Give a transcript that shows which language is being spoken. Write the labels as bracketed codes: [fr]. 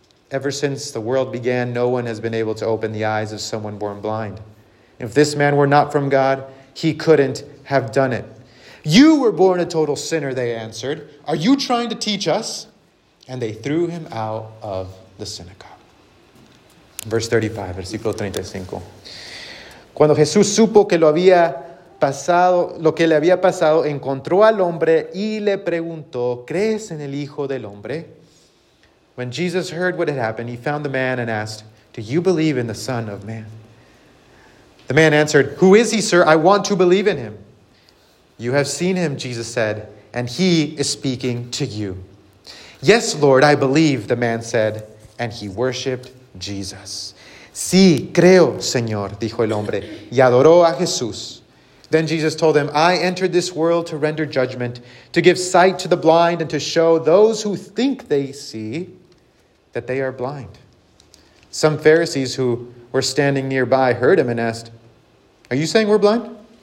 [en] Ever since the world began, no one has been able to open the eyes of someone born blind. If this man were not from God, he couldn't have done it. You were born a total sinner, they answered. Are you trying to teach us? And they threw him out of the synagogue. Verse 35, [es] versículo 35. Cuando Jesús supo que lo que le había pasado, encontró al hombre y le preguntó, ¿crees en el Hijo del Hombre? [en] When Jesus heard what had happened, he found the man and asked, do you believe in the Son of Man? The man answered, who is he, sir? I want to believe in him. You have seen him, Jesus said, and he is speaking to you. Yes, Lord, I believe, the man said, and he worshipped Jesus. [es] Sí, creo, Señor, dijo el hombre, y adoró a Jesús. [en] Then Jesus told him, I entered this world to render judgment, to give sight to the blind, and to show those who think they see that they are blind. Some Pharisees who were standing nearby heard him and asked, are you saying we're blind?